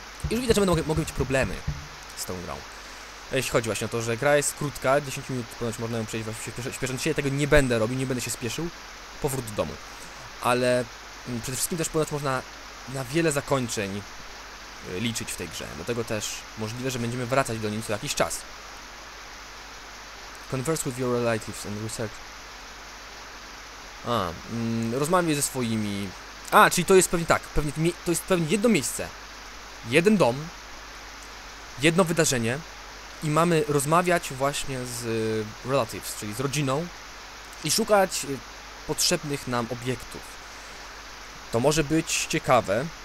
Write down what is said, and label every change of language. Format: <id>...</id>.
<pl>I już widać, że będą mogły być problemy z tą grą. Jeśli chodzi właśnie o to, że gra jest krótka, 10 minut ponoć można ją przejść właśnie śpiesząc się. Tego nie będę robił, nie będę się spieszył. Powrót do domu. Ale przede wszystkim też ponoć można na wiele zakończeń liczyć w tej grze. Dlatego też możliwe, że będziemy wracać do niej co jakiś czas.</pl> <en>Converse with your relatives and research.</en> <pl>Rozmawiaj ze swoimi. Czyli to jest pewnie tak. To jest pewnie jedno miejsce. Jeden dom. Jedno wydarzenie. I mamy rozmawiać właśnie z relatives, czyli z rodziną. I szukać potrzebnych nam obiektów. To może być ciekawe.</pl>